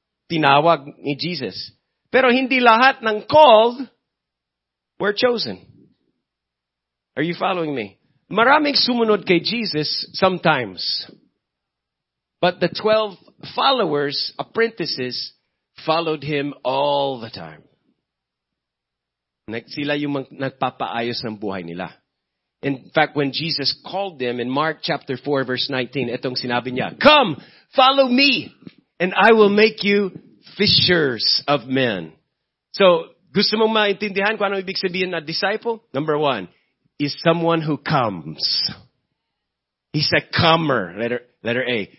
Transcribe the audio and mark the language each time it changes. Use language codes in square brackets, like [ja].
[en] Tinawag ni Jesus. Pero hindi lahat ng called were chosen. Are you following me? Maraming sumunod kay Jesus sometimes. But the 12 followers, apprentices, followed him all the time. [tl] Sila yung nagpapaayos ng buhay nila. [en] In fact, when Jesus called them in Mark chapter 4, verse 19, itong sinabi niya, come, follow me, and I will make you fishers of men. [tl] So, gusto mong maintindihan kung ano ibig sabihin na disciple? [en] Number one, is someone who comes. He's a comer. Letter A.